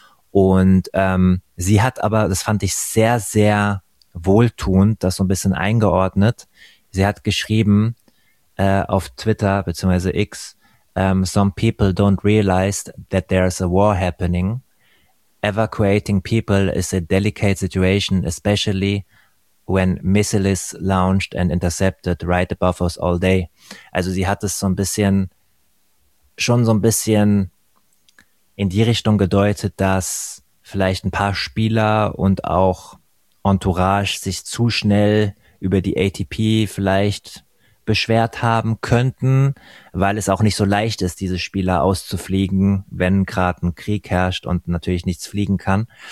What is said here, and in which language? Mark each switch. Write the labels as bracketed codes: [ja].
[de] Und sie hat aber, das fand ich sehr, sehr wohltuend, das so ein bisschen eingeordnet. Sie hat geschrieben auf Twitter beziehungsweise X, [en] some people don't realize that there's a war happening. Evacuating people is a delicate situation, especially when missiles launched and intercepted right above us all day. [de] Also sie hat es schon so ein bisschen in die Richtung gedeutet, dass vielleicht ein paar Spieler und auch Entourage sich zu schnell über die ATP vielleicht beschwert haben könnten, weil es auch nicht so leicht ist, diese Spieler auszufliegen, wenn gerade ein Krieg herrscht und natürlich nichts fliegen kann.